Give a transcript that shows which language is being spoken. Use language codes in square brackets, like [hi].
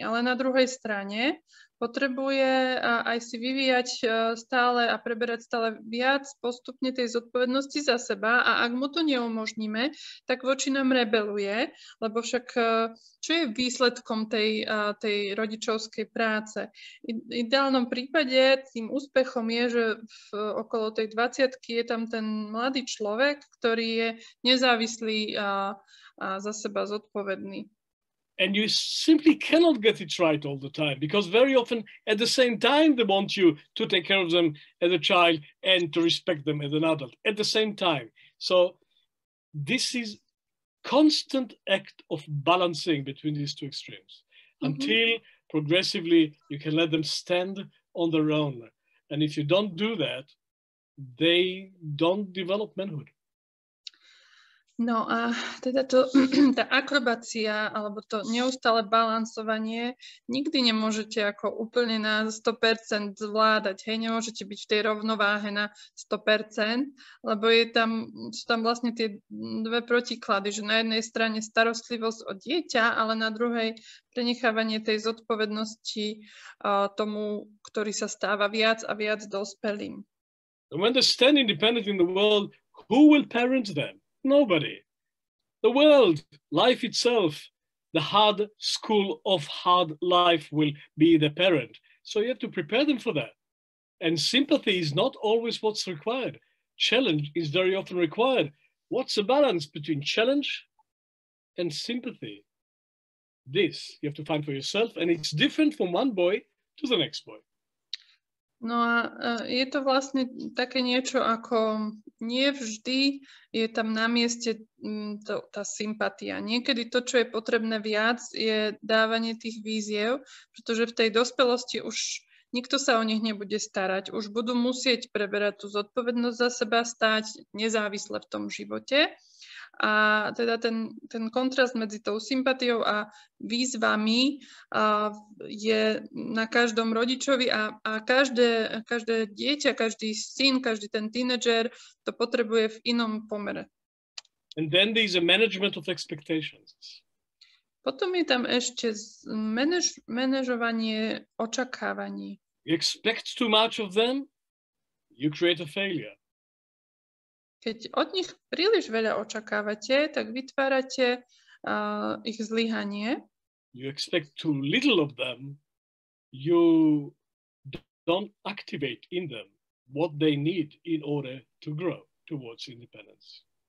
[sk] Ale na druhej strane potrebuje aj si vyvíjať stále a preberať stále viac postupne tej zodpovednosti za seba a ak mu to neumožníme, tak voči nám rebeluje, lebo však čo je výsledkom tej rodičovskej práce? Ideálnom prípade tým úspechom je, že okolo tej 20-ky je tam ten mladý človek, ktorý je nezávislý a za seba zodpovedný. [en] And you simply cannot get it right all the time because very often at the same time they want you to take care of them as a child and to respect them as an adult at the same time. So this is constant act of balancing between these two extremes mm-hmm. until progressively you can let them stand on their own. And if you don't do that, they don't develop manhood. [sk] No a teda to, tá akrobácia alebo to neustále balancovanie nikdy nemôžete ako úplne na 100% zvládať, hej, nemôžete byť v tej rovnováhe na 100%, lebo je tam, sú tam vlastne tie dve protiklady, že na jednej strane starostlivosť o dieťa, ale na druhej prenechávanie tej zodpovednosti tomu, ktorý sa stáva viac a viac dospelým. [en] When they stand independent in the world, who will parent them? Nobody. The world, life itself, the hard school of hard life will be the parent. So you have to prepare them for that. And sympathy is not always what's required. Challenge is very often required. What's the balance between challenge and sympathy? This you have to find for yourself, and it's different from one boy to the next boy. [sk] No a je to vlastne také niečo, ako nie vždy je tam na mieste tá sympatia. Niekedy to, čo je potrebné viac, je dávanie tých víziev, pretože v tej dospelosti už nikto sa o nich nebude starať. Už budú musieť preberať tú zodpovednosť za seba, stáť nezávisle v tom živote. A teda ten kontrast medzi tou sympatiou a výzvami je na každom rodičovi a každé dieťa, každý syn, každý ten tínedžer to potrebuje v inom pomere. [en] And then there is a management of expectations. [sk] Potom je tam ešte manažovanie očakávaní. [en] You expect too much of them, you create a failure. [sk] Keď od nich príliš veľa očakávate, tak vytvárate ich zlyhanie. [en] You expect too little of them, you don't activate in them what they need in order to grow towards independence.